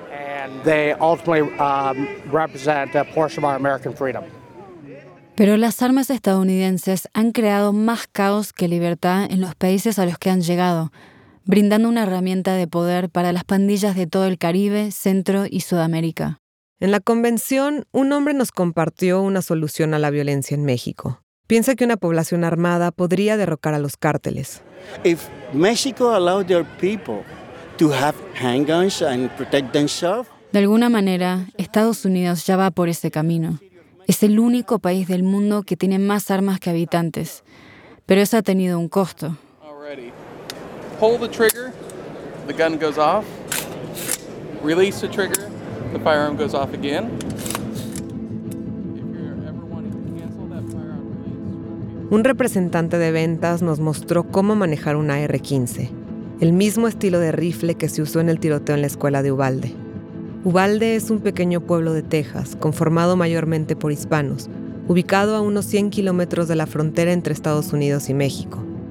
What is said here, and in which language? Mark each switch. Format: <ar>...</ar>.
<en>And they ultimately represent a portion of our American freedom.</en> <es>Pero las armas estadounidenses han creado más caos que libertad en los países a los que han llegado, brindando una herramienta de poder para las pandillas de todo el Caribe, Centro y Sudamérica. En la convención, un hombre nos compartió una solución a la violencia en México. Piensa que una población armada podría derrocar a los cárteles.</es> <en>If Mexico allowed their people to have handguns and protect themselves.</en> <es>De alguna manera, Estados Unidos ya va por ese camino. Es el único país del mundo que tiene más armas que habitantes. Pero eso ha tenido un costo.</es> <en>Already. Pull the trigger, the gun goes off. Release the trigger, the firearm goes off again.</en> <es>Un representante de ventas nos mostró cómo manejar una AR-15, el mismo estilo de rifle que se usó en el tiroteo en la escuela de Uvalde. Uvalde es un pequeño pueblo de Texas, conformado mayormente por hispanos, ubicado a unos 100 kilómetros de la frontera entre Estados Unidos y México.</es>